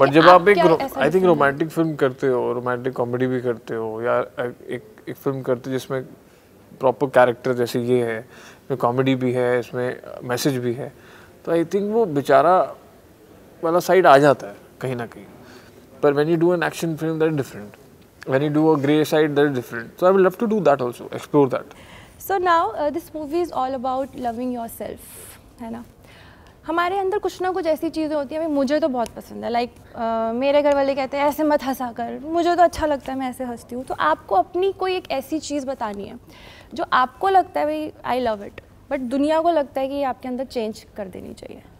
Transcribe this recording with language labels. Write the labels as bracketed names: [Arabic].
[Hindi] हूँ, जब आप एक आई थिंक रोमांटिक फिल्म करते हो, रोमांटिक कॉमेडी भी करते हो, या एक फिल्म करते हो जिसमें प्रॉपर कैरेक्टर जैसे ये है, इसमें कॉमेडी भी है, इसमें मैसेज भी है, तो आई थिंक वो बेचारा वाला साइड आ जाता है कहीं ना कहीं. [English] But when you do an action film, that is different. when you do a grey side, that is different. So I would love to do that also, explore that. So now, this movie is all about loving yourself, [Hindi] hai na? हमारे अंदर कुछ ना कुछ ऐसी चीज़ें होती हैं, मुझे तो बहुत पसंद है, लाइक मेरे घर वाले कहते हैं ऐसे मत हंसा कर, मुझे तो अच्छा लगता है मैं ऐसे हंसती हूँ. तो आपको अपनी कोई एक ऐसी चीज़ बतानी है जो आपको लगता है भाई [English] I love it, [Hindi] बट दुनिया को लगता है कि आपके अंदर चेंज कर देनी चाहिए.